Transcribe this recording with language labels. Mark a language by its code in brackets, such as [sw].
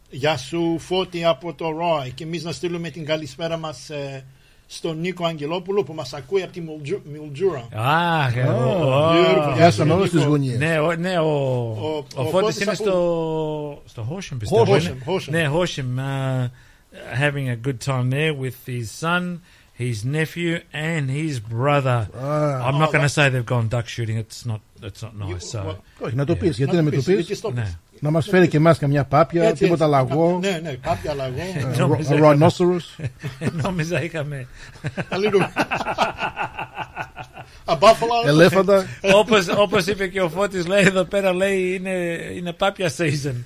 [el] Γεια σου Φώτη από το ΡΟΙ. Και εμείς να στείλουμε την καλησπέρα μας στον Νίκο Αγγελόπουλο που μας ακούει από τη Μιλτζούρα. Αχ, γεια σας όλους τις γωνίες. Ναι, ο Φώτης είναι στο Χόσιμ, πιστεύω. Ναι, Χόσιμ. [en] Having a good time there with his son, his nephew and his brother. I'm not going to say they've gone duck shooting. It's not nice. So, [el] να το πεις, γιατί να μην το πεις. Να μας φέρει και εμάς καμιά πάπια, τίποτα λαγό. Ναι, πάπια λαγό. [en] A rhinoceros. [el] Νόμιζα είχαμε. [en] A little. A buffalo. [el] Ελέφαντα. Όπως είπε και ο Φώτης, λέει εδώ πέρα, λέει είναι πάπια season.